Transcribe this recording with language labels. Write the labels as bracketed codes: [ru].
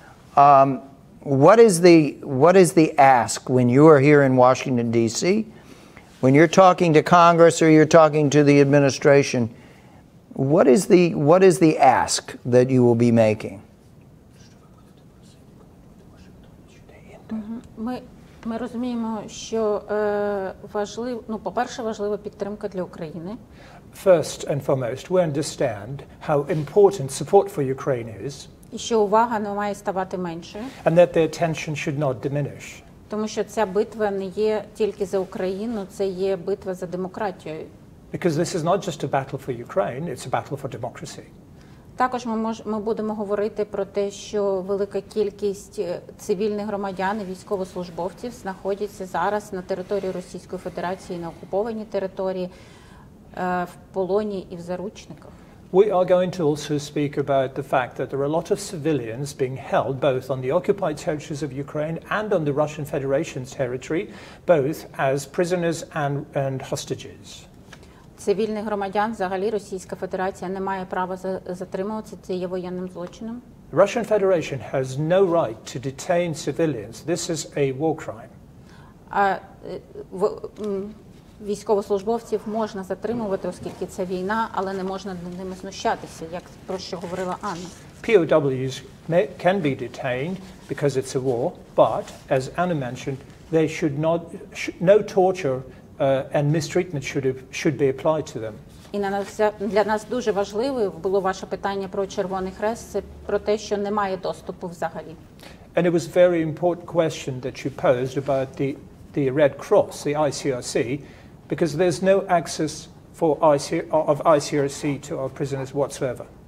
[en] What is the ask when you are here in Washington, D.C., when you're talking to Congress or you're talking to the administration? What is the ask that you will be making? [uk] Ми розуміємо, що важливо, ну, по-перше, важлива підтримка для України. [en] First and foremost, we understand how important support for Ukraine is. [uk] І що увага не має ставати меншою. [en] And that the attention should not diminish. [uk] Тому що ця битва не є тільки за Україну, це є битва за демократію. [en] Because this is not just a battle for Ukraine, it's a battle for democracy. [uk] Також ми будемо говорити про те, що велика кількість цивільних громадян і військовослужбовців знаходяться зараз на території Російської Федерації, на окупованій території, в полоні і в заручниках. [en] We are going to also speak about the fact that there are a lot of civilians being held both on the occupied territories of Ukraine and on the Russian Federation's territory, both as prisoners and hostages. [uk] Цивільних громадян взагалі Російська Федерація не має права затримуватися, це є воєнним злочином. [en] Russian Federation has no right to detain civilians. This is a war crime. [uk] Військовослужбовців можна затримувати, оскільки це війна, але не можна над ними знущатися, як про що говорила Анна. [en] POWs can be detained because it's a war, but as Anna mentioned, they should not no torture and mistreatment should be applied to them. [uk] Для нас дуже важливо було ваше питання про Червоний Хрест, це про те, що немає доступу взагалі. [en] And it was a very important question that you posed about the Red Cross, the ICRC, because there's no access of ICRC to our prisoners whatsoever.